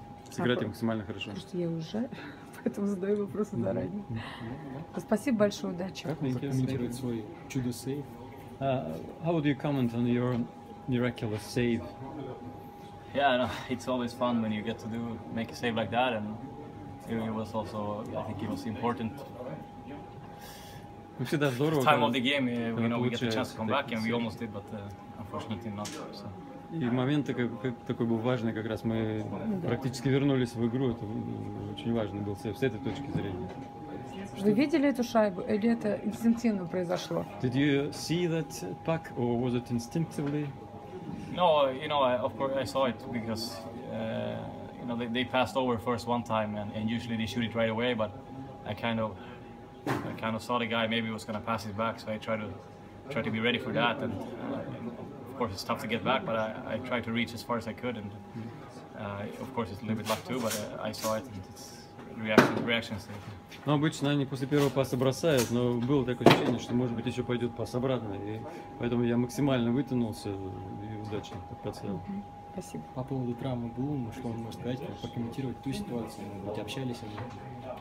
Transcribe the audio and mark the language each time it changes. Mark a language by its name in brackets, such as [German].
[Russian] Сыграть им максимально хорошо. Просто я уже поэтому задаю вопрос заранее. Спасибо большое, удачи. Как можно комментировать свой чудо-сейв? [English] How would you comment on your miraculous save? Yeah, no, it's always fun when you get to make a save like that, and it was also, I think it was important. Time of the game, you know, we get the chance to come back, and we almost did, but unfortunately not. So. [Russian] И момент такой был важный, как раз мы практически вернулись в игру, это очень важный был сейв с этой точки зрения. Вы видели эту шайбу, или это инстинктивно произошло? [English] Did you see that puck, or was it instinctively? No, you know, of course I saw it, because you know, they passed over first one time, and usually they shoot it right away, but I kind of saw the guy maybe was gonna pass it back, so I try to be ready for that, and course it's tough to get back, but I tried to reach as far as I could, and of course it's a little bit luck too, but I saw it and it's reaction stage. [Russian] Ну, обычно они после первого паса бросают, но было такое ощущение, что может быть еще пойдет пас обратно, и поэтому я максимально вытянулся и удачно так подставил. Спасибо. По поводу травмы Блума, что он может сказать, как прокомментировать ту ситуацию, может быть, общались они